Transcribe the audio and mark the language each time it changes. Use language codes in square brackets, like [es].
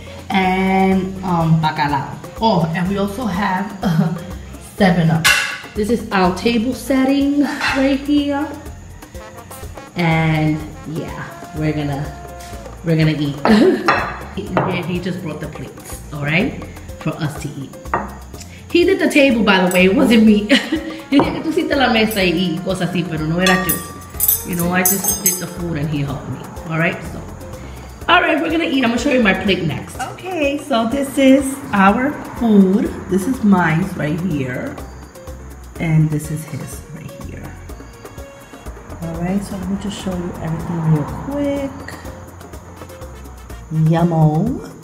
[en] And bacalao. Oh, and we also have 7-Up. This is our table setting right here. And yeah, we're gonna eat. He just brought the plates, all right? For us to eat. He did the table, by the way, it wasn't me. [es] Tenía que tú hiciste la mesa y cosas así, pero no era yo. [en] You know, I just did the food and he helped me, all right? So, all right, we're gonna eat. I'm gonna show you my plate next. Okay, so this is our food. This is mine right here. And this is his right here. All right, so let me just show you everything real quick. Yummo.